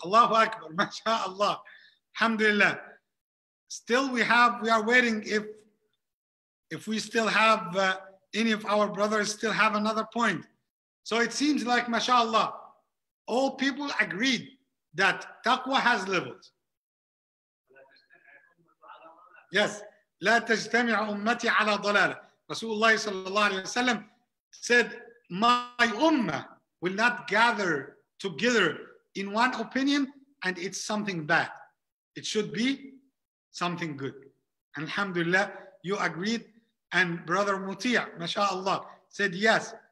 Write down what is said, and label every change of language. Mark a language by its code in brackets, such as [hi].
[en] Allahu Akbar, mashallah. Alhamdulillah. Still we are waiting if we still have any of our brothers still have another point. So it seems like, mashallah, all people agreed that taqwa has levels. [ar] Yes, لا تجتمع أمتي على ضلالة. [en] Rasulullah sallallahu alayhi wa sallam said, my ummah will not gather together in one opinion and it's something bad. It should be something good. And alhamdulillah, you agreed. And brother Muti'a, mashallah, said yes.